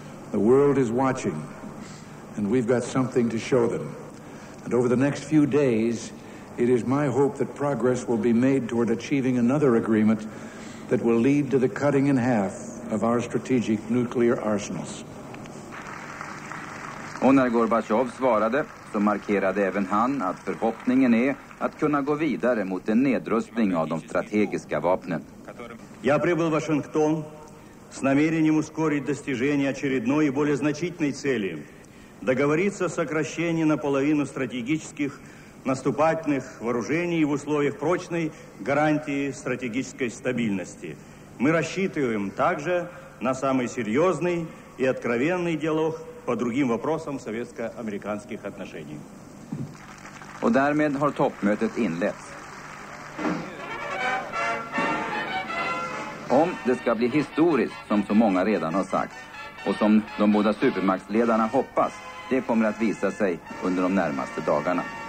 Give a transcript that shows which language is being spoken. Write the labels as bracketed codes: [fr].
[en] The world is watching and we've got something to show them. And over the next few days, it is my hope that progress will be made toward achieving another agreement that will lead to the cutting in half of our strategic nuclear arsenals. [sv] Och när Gorbachev svarade så markerade även han att förhoppningen är att kunna gå vidare mot en nedrustning av de strategiska vapnen. [ru] Jag prebyl Washington с намерением ускорить достижение очередной и более значительной цели – договориться о сокращении наполовину стратегических наступательных вооружений в условиях прочной гарантии стратегической стабильности. Мы рассчитываем также на самый серьезный и откровенный диалог по другим вопросам советско-американских отношений. [sv] Och därmed har toppmötet inletts. Om det ska bli historiskt, som så många redan har sagt, och som de båda supermaktsledarna hoppas, det kommer att visa sig under de närmaste dagarna.